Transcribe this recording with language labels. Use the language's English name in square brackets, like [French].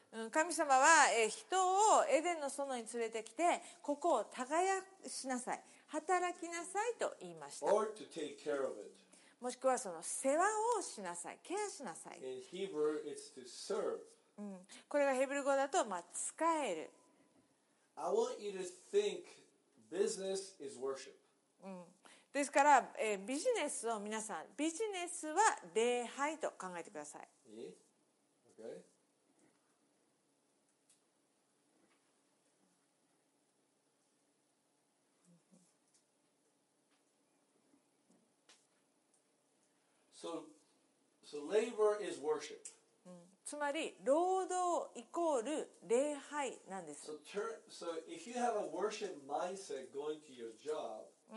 [Japanese] 神様は人をエデンの園に連れてきて、ここを耕しなさい、働きなさいと言いました。 [English] Or to take care of it. [Japanese] もしくはその世話をしなさい、ケアしなさい。 [English] In Hebrew, it's to serve. [Japanese] これがヘブル語だと、まあ、使える。 [English] I want you to think business is worship. [Japanese] ですから、ビジネスを皆さん、ビジネスは礼拝と考えてください。 [English] Yeah. Okay. So labor is worship. [Japanese] つまり労働イコール礼拝なんです。 [English] so if you have a worship mindset going to your job,